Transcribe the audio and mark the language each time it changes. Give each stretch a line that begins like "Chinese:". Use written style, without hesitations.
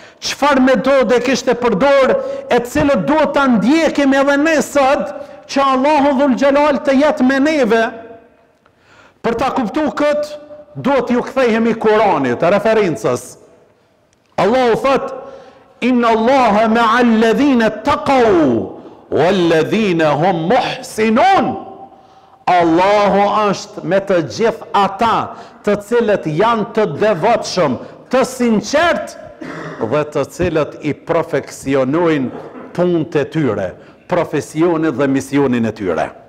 Albanian: Qëfar metode kishte përdor e cilët duhet të ndjekim edhe nesët që Allahu Dhul Gjelal të jetë me neve? Për ta kuptu këtë duhet ju kthehemi Kuranit, referencës. Allahu thot,
Arabic: إن الله مع الذين اتقوا والذين هم محسنون.
Albanian: الله është me të gjithë ata të cilët janë të devotshëm, të sinqert dhe të cilët i perfeksionojnë punët e tyre, profesionin dhe misionin e tyre.